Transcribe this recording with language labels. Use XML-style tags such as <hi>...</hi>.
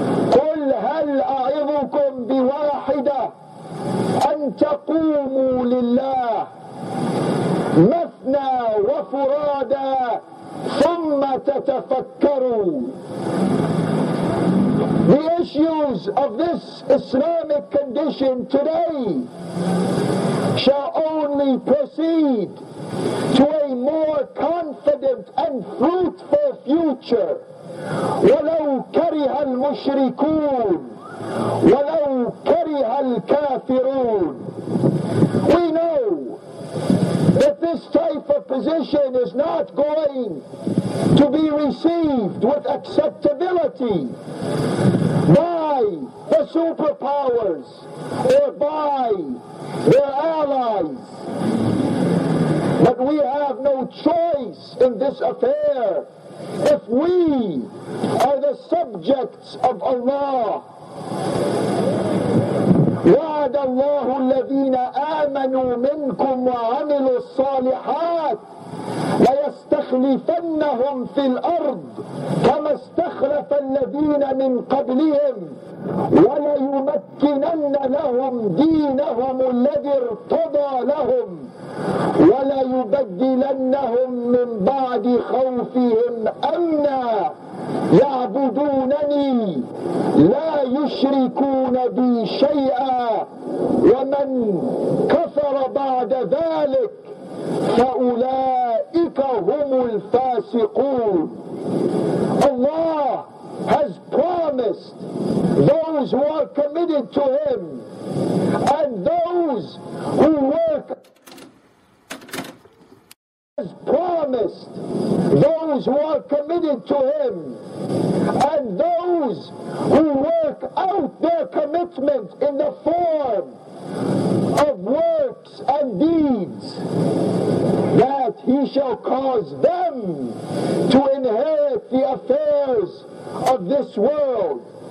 <en>قُلْ هَلْ أَعِظُكُمْ بِوَاحِدَةٍ أَنْ تَقُومُوا لِلَّهِ مَثْنَى وَفُرَادَى ثُمَّ تَتَفَكَّرُوا. The issues of this Islamic condition today shall only proceed to a more confident and fruitful future.</en> <ar>وَلَوْ كَرِهَ الْمُشْرِكُونَ وَلَوْ كَرِهَ الْكَافِرُونَ.</ar> <en>We know that this type of position is not going to be received with acceptability by the superpowers or by their allies. But we have no choice in this affair if we are the subjects of Allah.</en> <ar>وعد الله الذين آمنوا منكم وعملوا الصالحات ليستخلفنهم في الأرض كما استخلف الذين من قبلهم وليمكنن لهم دينهم الذي ارتضى لهم وليبدلنهم من بعد خوفهم أمنا يعبدونني لا يشركون بي شيئا ومن كفر بعد ذلك فأولئك هم الفاسقون.</ar> <en>الله has promised those who are committed to him and those who work has promised those who are committed to him and those who work out their commitment in the form of works and deeds that he shall cause them to inherit the affairs of this world,</en>